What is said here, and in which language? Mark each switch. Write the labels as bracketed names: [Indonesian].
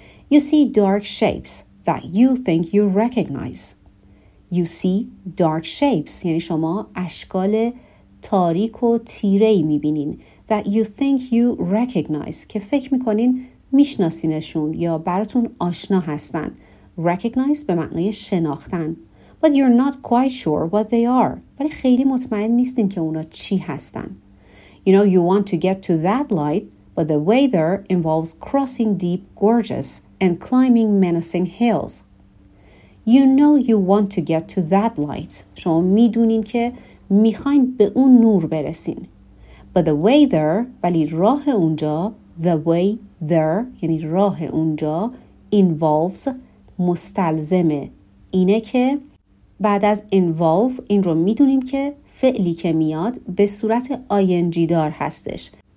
[English] You see dark shapes that you think you recognize. You see dark shapes, [Persian] یعنی شما اشکال تاریک و تیره‌ای می‌بینین [English] that you think you recognize, [Persian] که فکر می‌کنین میشناسینشون یا براتون آشنا هستن. Recognize به معنی شناختن. [English] But you're not quite sure what they are. [Persian] ولی خیلی مطمئن نیستین که اونا چی هستن. [English] You know you want to get to that light, but the way there involves crossing deep gorges and climbing menacing hills. You know you want to get to that light. [Persian] شما میدونین که میخواین به اون نور برسین. [English] But the way there, [Persian] ولی راه اونجا, [English] the way there, [Persian] یعنی راه اونجا, [English] involves, [Persian] مستلزمه. اینه که بعد از involve این رو میدونیم که فعلی که میاد به صورت ing دار هستش.